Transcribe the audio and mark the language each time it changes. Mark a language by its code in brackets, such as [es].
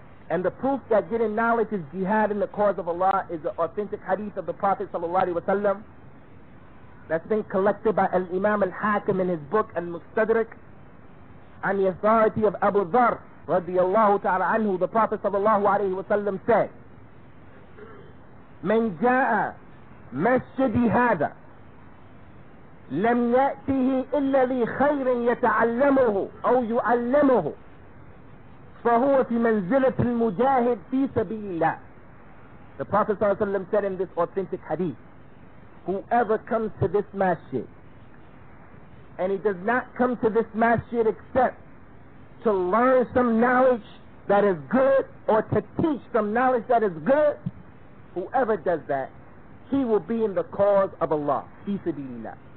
[en] And the proof that getting knowledge is jihad in the cause of Allah is the authentic hadith of the Prophet sallallahu alaihi wasallam that's been collected by Al-Imam Al-Hakim in his book Al-Mustadrak on the authority of Abu Dharr radiyallahu ta'ala anhu. The Prophet sallallahu alaihi wasallam said, [ar] من جاء مسجد هذا لم يأتيه إلا ذي خير يتعلمه أو يعلمه فهو في منزلة المجاهد في سبيل الله. [en] The Prophet sallallahu alaihi wasallam said in this authentic hadith, whoever comes to this masjid, and he does not come to this masjid except to learn some knowledge that is good or to teach some knowledge that is good, whoever does that, he will be in the cause of Allah. Fi sabilillah.